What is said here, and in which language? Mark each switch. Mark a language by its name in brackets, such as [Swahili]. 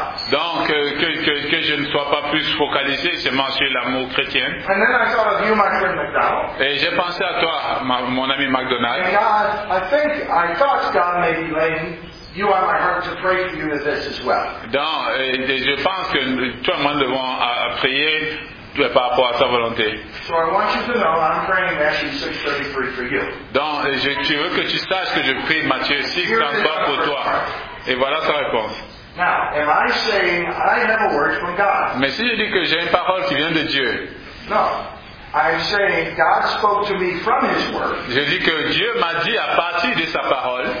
[French] Donc, que je ne sois pas plus focalisé seulement sur l'amour chrétien. [English] And then I thought of you, my friend McDonald. [French] Et j'ai pensé à toi, mon ami McDonald. Donc, je pense que toi et moi devons prier par rapport à sa volonté. [English] So I want you to know I'm praying Matthew 6:33 for you. [French] Donc, tu veux que tu saches que je prie Matthieu 6:33 pour toi. Et voilà sa réponse. [English] Now, am I saying I have a word from God? [French] Mais si je dis que j'ai une parole qui vient de Dieu. [English] No, I'm saying God spoke to me from His word. [French] Je dis que Dieu m'a dit à partir de sa parole.